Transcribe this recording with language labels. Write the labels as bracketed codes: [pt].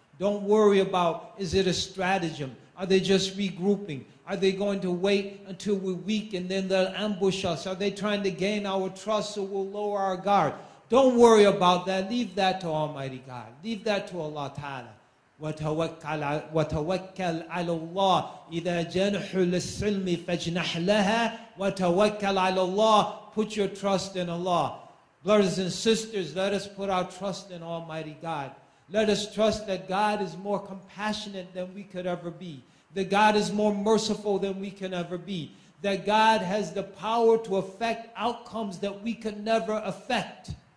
[en] Don't worry about, is it a stratagem? Are they just regrouping? Are they going to wait until we're weak and then they'll ambush us? Are they trying to gain our trust so we'll lower our guard? Don't worry about that. Leave that to Almighty God. Leave that to Allah Ta'ala. [ar] وتوكل على الله إذا جنح للسلم فاجنح لها وتوكل على الله. [en] Put your trust in Allah. Brothers and sisters, let us put our trust in Almighty God. Let us trust that God is more compassionate than we could ever be. That God is more merciful than we can ever be. That God has the power to affect outcomes that we could never affect.